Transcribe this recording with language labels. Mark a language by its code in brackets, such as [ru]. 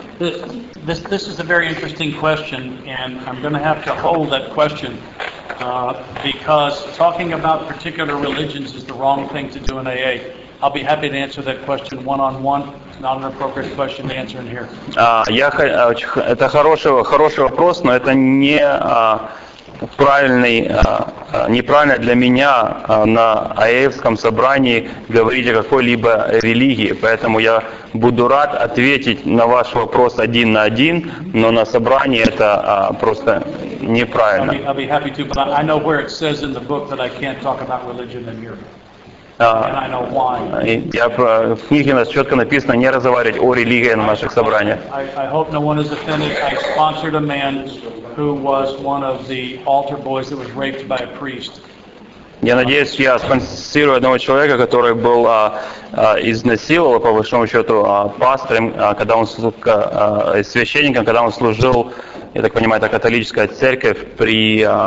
[en] This is a very interesting question, and I'm going to have to hold that question. Because talking about particular religions is the wrong thing to do in AA. I'll be happy to answer that question one-on-one. Not an appropriate question to answer in here. [ru] Это хороший вопрос, но это не неправильно для меня на АЭФском собрании говорить о какой-либо религии, поэтому я буду рад ответить на ваш вопрос один на один, но на собрании это просто неправильно. [en] I'll be happy to, but I know where it says in the book that I can't talk about religion in here. [ru] В книге у нас четко написано не разговаривать о религии на наших собраниях. [en] I hope no one is offended. I sponsored a man who was one of the altar boys that was raped by a priest. [ru] Я надеюсь, я спонсирую одного человека, который был изнасиловал, по большому счету, пастором, когда он священником, когда он служил, я так понимаю, это католическая церковь при...